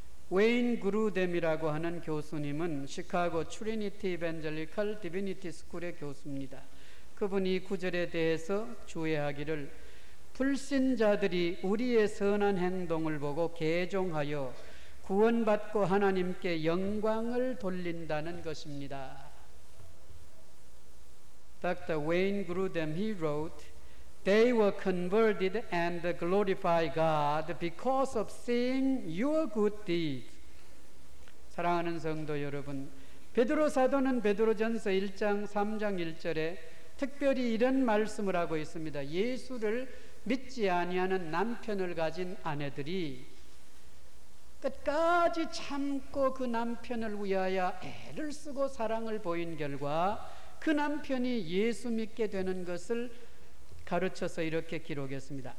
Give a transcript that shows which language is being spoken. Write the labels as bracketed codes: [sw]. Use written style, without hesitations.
[ko] 웨인 그루뎀이라고 하는 교수님은 시카고 트리니티 이벤젤리컬 디비니티 스쿨의 교수입니다. 그분이 구절에 대해서 주의하기를 불신자들이 우리의 선한 행동을 보고 개종하여 구원받고 하나님께 영광을 돌린다는 것입니다. [en] Dr. Wayne Grudem, he wrote, They were converted and glorified God because of seeing your good deeds. [ko] 사랑하는 성도 여러분, 베드로 사도는 베드로전서 1장 3장 1절에 특별히 이런 말씀을 하고 있습니다. 예수를 믿지 아니하는 남편을 가진 아내들이 끝까지 참고 그 남편을 위하여 애를 쓰고 사랑을 보인 결과 그 남편이 예수 믿게 되는 것을 가르쳐서 이렇게 기록했습니다.